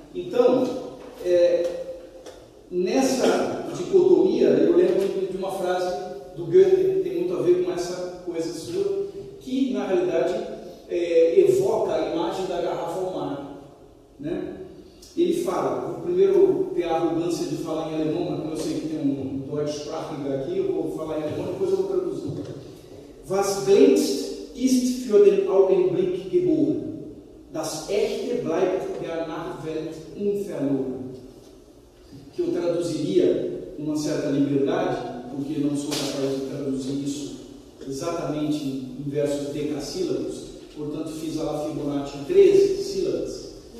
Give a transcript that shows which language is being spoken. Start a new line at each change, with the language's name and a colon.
Portuguese: Então, nessa dicotomia, eu lembro de uma frase do Goethe, que tem muito a ver com essa coisa sua, que, na realidade, evoca a imagem da garrafa ao mar. Né? Ele fala, vou primeiro ter a arrogância de falar em alemão, mas eu sei que tem um Deutschsprache aqui, eu vou falar em alemão e depois eu vou traduzir.
German: Was glänzt ist für den Augenblick geboren, das echte bleibt der Nachwelt unverloren.
Portuguese: Que eu traduziria com uma certa liberdade, porque não sou capaz de traduzir isso exatamente em versos decassílabos, portanto fiz a La Fibonacci 13 sílabas.